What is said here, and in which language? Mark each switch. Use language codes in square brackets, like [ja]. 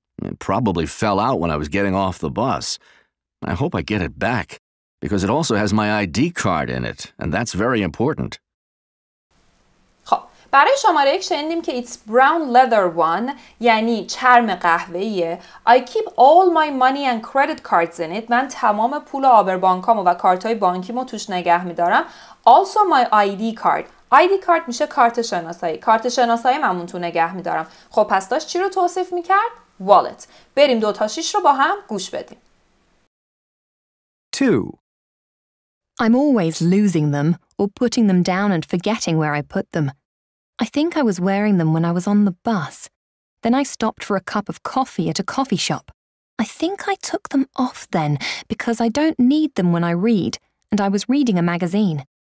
[en] It probably fell out when I was getting off the bus. I hope I get it back, because it also has my ID card in it, and that's very important. [fa] برای شماره یک شنیدیم که [en] it's brown leather one [fa] یعنی چرم قهوه‌ایه. [en] I keep all my money and credit cards in it. [fa] من تمام پول آبربانکامو و کارتای بانکیمو توش نگه می‌دارم. [en] Also my ID card. [fa] ID card میشه کارت شناسایی. کارت شناسایی منمون تو نگه می‌دارم. خب پس داشت چی رو توصیف می‌کرد؟ wallet. بریم دو تا شیش رو با هم گوش بدیم. [en] 2. I'm always losing them or putting them down and forgetting where I put them. I think I was wearing them when I was on the bus. Then I stopped for a cup of coffee at a coffee shop. I think I took them off then because I don't need them when I read, and I was reading a magazine.